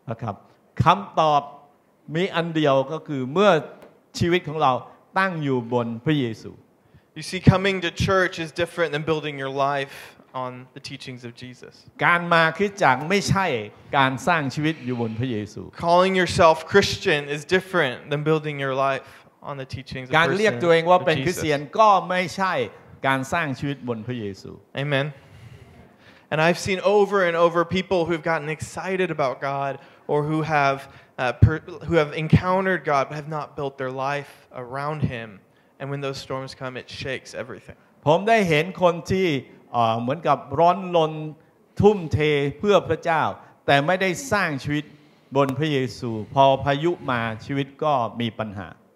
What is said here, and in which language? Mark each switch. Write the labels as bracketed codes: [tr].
[th] ครับคำตอบมีอันเดียวก็คือเมื่อชีวิตของเราตั้งอยู่บนพระเยซู [en] You see, coming to church is different than building your life on the teachings of Jesus. [th] การมาคริสตจักรไม่ใช่การสร้างชีวิตอยู่บนพระเยซู [en] Calling yourself Christian is different than building your life on the teachings of Jesus. [th] การเรียกตัวเองว่าเป็นคริสเตียนก็ไม่ใช่การสร้างชีวิตบนพระเยซู [en] Amen. And I've seen over and over people who've gotten excited about God or who have encountered God but have not built their life around him. And when those storms come, it shakes everything. [th] ผมได้เห็นคนที่เหมือนกับร้อนลนทุ่มเทเพื่อพระเจ้าแต่ไม่ได้สร้างชีวิตบนพระเยซูพอพายุมาชีวิตก็มีปัญหา